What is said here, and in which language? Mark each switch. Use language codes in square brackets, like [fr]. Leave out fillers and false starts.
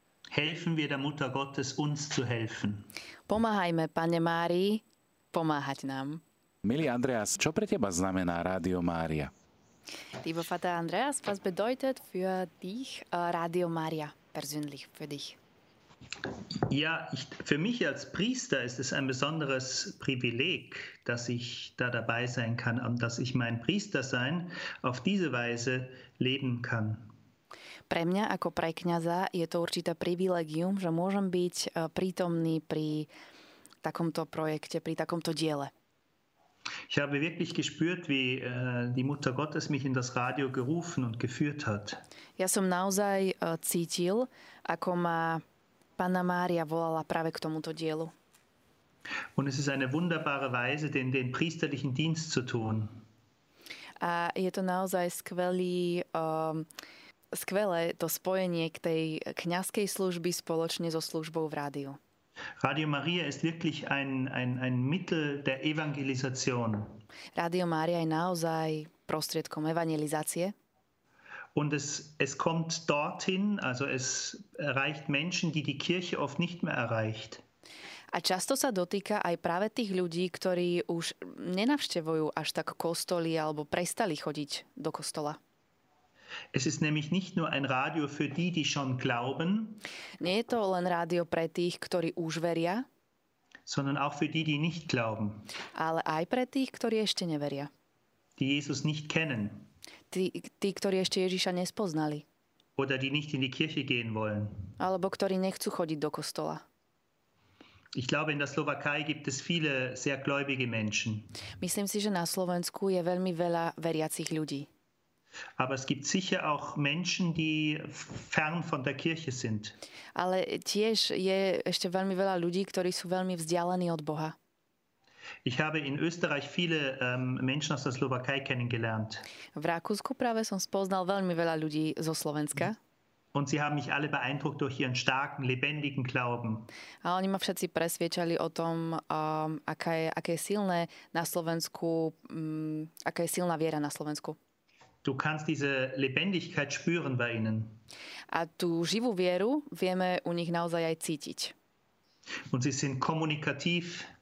[de] Helfen wir der Mutter Gottes, uns zu helfen. [sk] Pomáhajme, Panne Márii, pomáhať nám. Milý Andreas, čo pre teba znamená Rádio Mária? [de] Lieber Vater Andreas, was bedeutet für dich Radio Maria persönlich für dich? Ja, ich, für mich als Priester ist es ein besonderes Privileg, dass ich da dabei sein kann und dass ich mein Priestersein auf diese Weise leben kann. [sk] Pre mňa ako pre kňaza je to určité privilegium, že môžem byť prítomný pri takomto projekte, pri takomto diele. [de] Ich habe wirklich gespürt, wie die Mutter Gottes mich in das Radio gerufen und geführt hat. [sk] Ja som naozaj cítil, ako ma Panna Mária volala práve k tomuto dielu. [de] Und es ist eine wunderbare Weise, den priesterlichen Dienst zu tun. [sk] A je to naozaj skvelé to spojenie k tej kňazskej služby spoločne so službou v rádiu. [de] Radio Maria ist wirklich ein Mittel der Evangelisation. [sk] Radio Maria je naozaj prostriedkom evangelizácie. [de] Und es kommt dorthin, also es erreicht Menschen, die die Kirche oft nicht mehr erreicht. [sk] A často sa dotýka aj práve tých ľudí, ktorí už nenavštevujú až tak kostoly alebo prestali chodiť do kostola. [de] Es ist nämlich nicht nur ein Radio für die, die schon glauben. [sk] Nie je to len rádio pre tých, ktorí už veria. [de] Sondern auch für die, die nicht glauben. [sk] Ale aj pre tých, ktorí ešte neveria. [de] Die Jesus nicht kennen. [sk] Tí, ktorí ešte Ježiša nespoznali. [de] Oder die nicht in die Kirche gehen wollen. [sk] Alebo ktorí nechcú chodiť do kostola. [de] Ich glaube, in der Slowakei gibt es viele sehr gläubige Menschen. [sk] Myslím si, že na Slovensku je veľmi veľa veriacich ľudí. [de] Aber es gibt sicher auch Menschen, die fern von der Kirche sind. [sk] Ale tiež je ešte veľmi veľa ľudí, ktorí sú veľmi vzdialení od Boha. [de] Ich habe in Österreich viele Menschen aus der Slowakei kennengelernt. [sk] V Rakúsku práve som spoznal veľmi veľa ľudí zo Slovenska. [de] Und sie haben mich alle beeindruckt durch ihren starken, lebendigen Glauben. [sk] A oni ma všetci presviedčali o tom, aká je silná viera na Slovensku. [de] Du kannst diese Lebendigkeit spüren bei ihnen. [sk] A tú živú vieru vieme u nich naozaj aj cítiť. [de] Und sie sind kommunikativ.